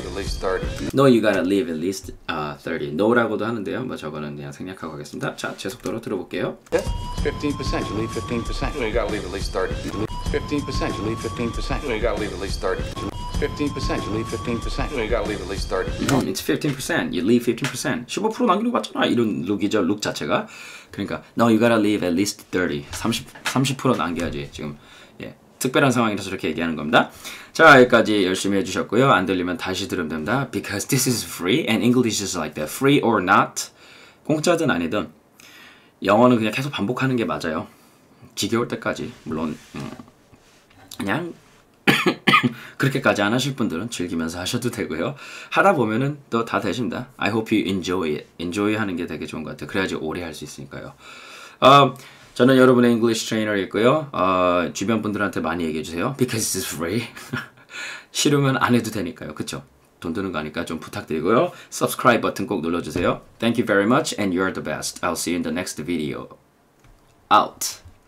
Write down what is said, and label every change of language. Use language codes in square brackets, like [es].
[en] 15% you leave 15%. No, you gotta leave at least 30. [ko] No라고도 하는데요. 뭐 저거는 그냥 생략하고 하겠습니다. 자, 제 속도로 들어볼게요. [en] 15% you leave 15%. No, you gotta leave at least 30. 15% you leave 15%. No, you gotta leave at least 30. 15% you leave 15%. No, you gotta leave at least 30. No, it's 15%. You leave 15%. [ko] 15% 남기는 거 맞잖아. 이런 룩이죠. 룩 자체가. 그러니까 [en] No, you gotta leave at least 30. [ko] 30% 남겨야지. 지금 예. 특별한 상황이라서 이렇게 얘기하는 겁니다. 자, 여기까지 열심히 해주셨고요. 안 들리면 다시 들으면 됩니다. [en] Because this is free and English is like that. Free or not. [ko] 공짜든 아니든 영어는 그냥 계속 반복하는 게 맞아요. 지겨울 때까지. 물론 그냥 그렇게까지 안 하실 분들은 즐기면서 하셔도 되고요. 하다 보면은 또 다 되십니다. [en] I hope you enjoy it. Enjoy [ko] 하는 게 되게 좋은 것 같아요. 그래야지 오래 할 수 있으니까요. 저는 여러분의 English Trainer이고요. 주변 분들한테 많이 얘기해 주세요. [en] Because it's free. [ko] 싫으면 안 해도 되니까요. 그쵸? 돈 드는 거니까 좀 부탁드리고요. [en] Subscribe [ko] 버튼 꼭 눌러주세요. [en] Thank you very much and you're the best. I'll see you in the next video. Out.